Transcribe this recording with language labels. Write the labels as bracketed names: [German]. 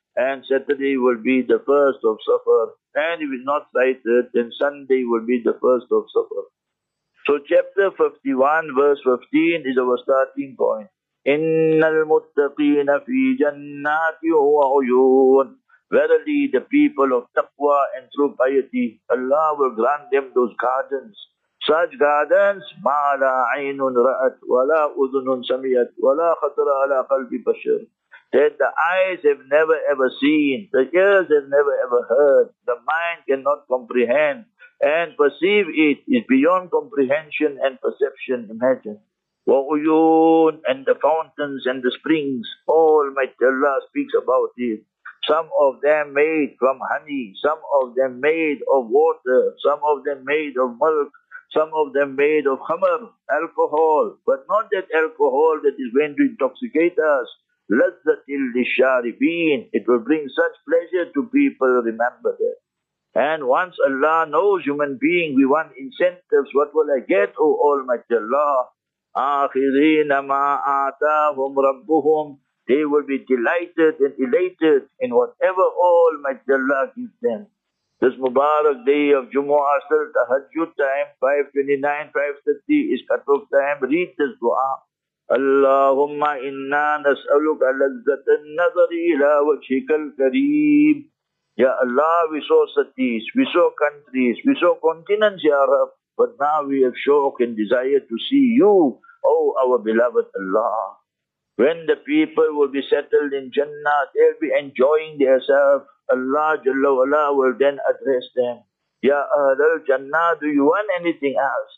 [English] And Saturday will be the first of Safar. And if it's not sighted, then Sunday will be the first of Safar. So chapter 51, verse 15 is our starting point. [Arabic] إِنَّ الْمُتَّقِينَ فِي جَنَّاتٍ وَعُيُونَ. [English] Verily the people of taqwa and true piety, Allah will grant them those gardens. Such gardens, [Arabic] مَا لَا عَيْنٌ رَأَتْ وَلَا أُذُنٌ سَمِيَتْ وَلَا خَطْرَ عَلَى قَلْبِ بَشَرٍ. [English] That the eyes have never ever seen, the ears have never ever heard, the mind cannot comprehend and perceive it is beyond comprehension and perception. Imagine. Wa'uyun, and the fountains and the springs, Almighty Allah speaks about it. Some of them made from honey, some of them made of water, some of them made of milk, some of them made of khamar, alcohol, but not that alcohol that is going to intoxicate us. [Arabic] Lazzatil lisharibin, [English] it will bring such pleasure to people, remember that. And once Allah knows, human being, we want incentives, what will I get, O Almighty Allah? [Arabic] Akhirina ma atahum rabbuhum, [English] they will be delighted and elated in whatever Almighty Allah gives them. This Mubarak day of Jumu'ah, still tahajjud time, 5:29, 5:30 is cut off time, read this dua. [Arabic] اللهم إنا نسألك لذة النظر إلى وجهك الكريم. [English] يا الله, we saw cities, we saw countries, we saw continents, يا رب, but now we have shock and desire to see you, oh our beloved Allah. When the people will be settled in Jannah, they'll be enjoying themselves. Allah Jalla Wala will then address them. [Arabic] يا أهل الجنة, [English] do you want anything else?